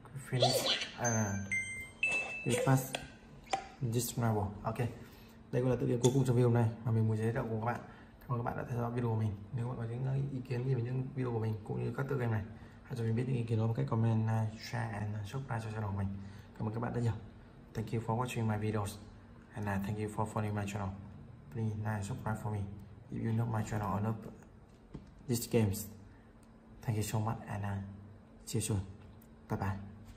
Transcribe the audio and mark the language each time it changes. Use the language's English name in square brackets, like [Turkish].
[English] Finish and we pass this level. Okay. [Vietnamese] Đây cũng là tựa game cuối cùng trong video này mà mình muốn giới thiệu cùng các bạn. Cảm ơn các bạn đã theo dõi video của mình. Nếu bạn có những ý kiến gì về những video của mình cũng như các tựa game này, hãy cho mình biết những ý kiến đó bằng cách [English] comment, share and subscribe [Vietnamese] cho channel của mình. Cảm ơn các bạn rất nhiều. [English] Thank you for watching my videos and thank you for following my channel. Please like, subscribe for me if you know my channel or not this games. Thank you so much, and see you soon. Bye bye.